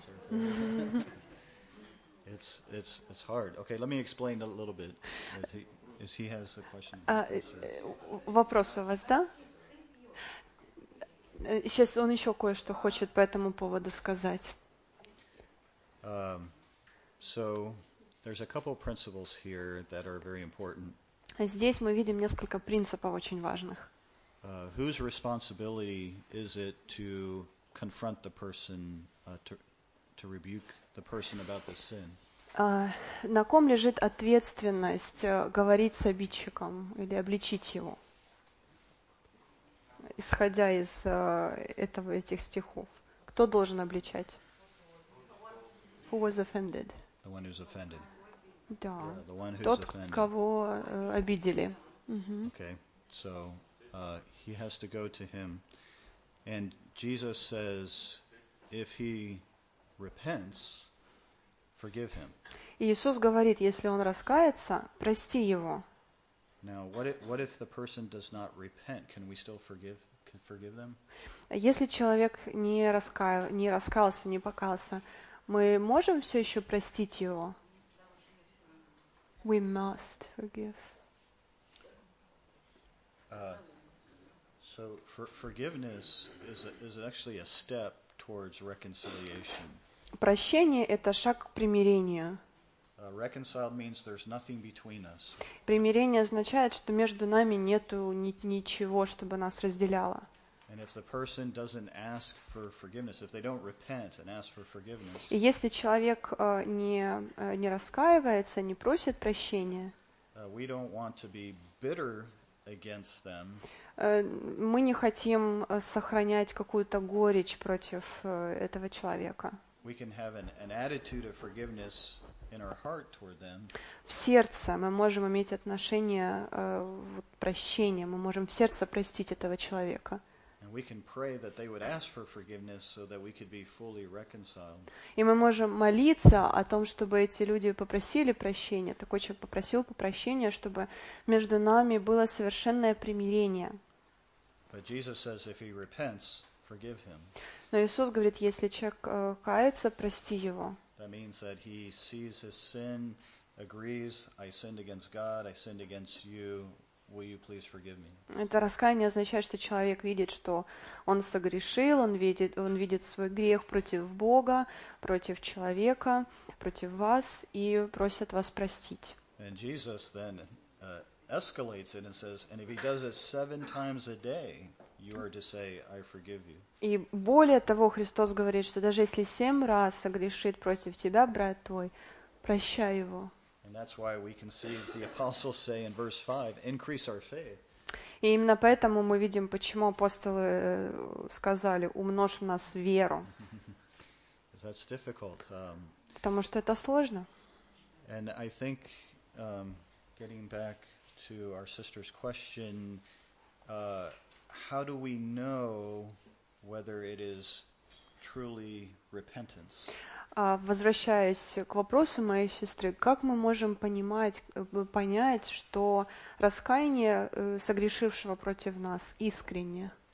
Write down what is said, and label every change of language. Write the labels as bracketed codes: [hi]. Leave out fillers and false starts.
[en] It's hard. Okay, let me explain a little bit. As he has a question. [ru] Вопрос у вас, да? Сейчас он еще кое-что хочет по этому поводу сказать. [en] So there's a couple principles here that are very important. [ru] Здесь мы видим несколько принципов очень важных. [en] Whose responsibility is it to confront the person, to rebuke the person about the sin? [ru] На ком лежит ответственность говорить с обидчиком или обличить его, исходя из этих стихов? Кто должен обличать? [en] Who was offended? The one who's offended. [ru] Да. [en] The one who's [ru] Тот, [en] offended. [ru] Кого обидели. Mm-hmm. [en] Okay, so he has to go to him, and Jesus says, if he repents, forgive him. [ru] Иисус говорит, если он раскается, прости его. [en] Now, what if the person does not repent? Can we still forgive? Can forgive them? [ru] Если человек не раскаялся, не покаялся, мы можем все еще простить его? [en] We must forgive. So forgiveness is actually a step towards reconciliation. [ru] Прощение — это шаг к примирению. [en] Reconciled means there's nothing between us. [ru] Примирение означает, что между нами нету ничего, чтобы нас разделяло. [en] And if the person doesn't ask for forgiveness, if they don't repent and ask for forgiveness, [ru] и если человек не раскаивается, не просит прощения, [en] we don't want to be bitter against them. [ru] Мы не хотим сохранять какую-то горечь против этого человека. [en] We can have an attitude of forgiveness in our heart toward them. [ru] В сердце мы можем иметь отношение прощения, мы можем в сердце простить этого человека. [en] And we can pray that they would ask for forgiveness so that we could be fully reconciled. [ru] И мы можем молиться о том, чтобы эти люди попросили прощения, такой человек попросил прощения, чтобы между нами было совершенное примирение. [en] But Jesus says if he repents, forgive him. [ru] Но Иисус говорит, если человек кается, прости его. [en] That means that he sees his sin, agrees, I sinned against God, I sinned against you, will you please forgive me? [ru] Это раскаяние означает, что человек видит, что он согрешил, он видит свой грех против Бога, против человека, против вас, и просит вас простить. [en] And Jesus then escalates it and says, and if he does it 7 times a day, you are to say, I forgive you. [ru] И более того, Христос говорит, что даже если 7 раз согрешит против тебя, брат твой, прощай его. [en] And that's why we can see the apostles say in verse 5, increase our faith. [ru] И именно поэтому мы видим, почему апостолы сказали, умножь в нас веру. [en] That's difficult. [ru] Потому что это сложно. [en] And I think, getting back to our sister's question, how do we know whether it is truly repentance? [ru] Возвращаясь к вопросу моей сестры, как мы можем понять, что раскаяние согрешившего против нас искренне?